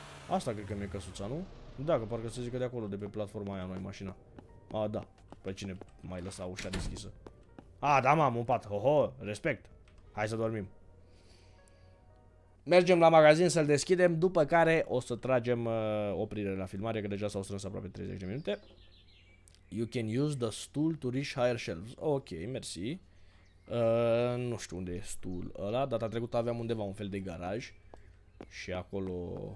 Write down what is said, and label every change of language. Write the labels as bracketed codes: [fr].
[ro] Asta cred că mi-e căsuța, nu? Da, că parcă se zică de acolo, de pe platforma aia noi, mașina. A, da. Păi cine mai lăsa ușa deschisă? A, da, m-am umpat. Ho-ho, respect. Hai să dormim. Mergem la magazin să-l deschidem, după care o să tragem oprire la filmare, că deja s-au strâns aproape 30 de minute. [en] You can use the stool to reach higher shelves. [ro] Ok, mersi. Nu știu unde e stool ăla, data trecută aveam undeva un fel de garaj. Și acolo...